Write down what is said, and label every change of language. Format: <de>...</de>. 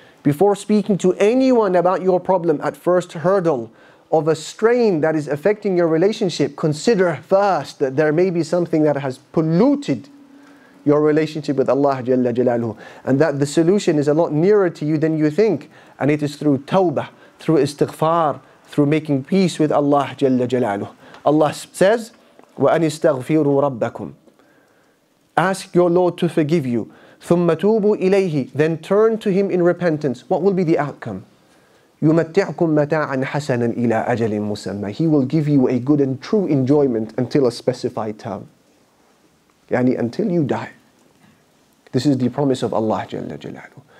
<en>Before speaking to anyone about your problem at first hurdle, of a strain that is affecting your relationship, consider first that there may be something that has polluted your relationship with Allah Jalla Jalaluhu, and that the solution is a lot nearer to you than you think, and it is through tawbah, through istighfar, through making peace with Allah Jalla Jalaluhu. Allah says,</en> <ar>وَأَنْ إِسْتَغْفِرُوا رَبَّكُمْ.</ar> <en>Ask your Lord to forgive you.</en> <ar>ثُمَّ تُوبُوا إِلَيْهِ.</ar> <en>Then turn to Him in repentance. What will be the outcome?</en> <ar>يُمَتِّعْكُمْ مَتَاعًا حَسَنًا إِلَىٰ أَجَلٍ مُسَمَّى.</ar> <en>He will give you a good and true enjoyment until a specified time. Yani until you die. This is the promise of Allah Jalla Jalaluhu.</en>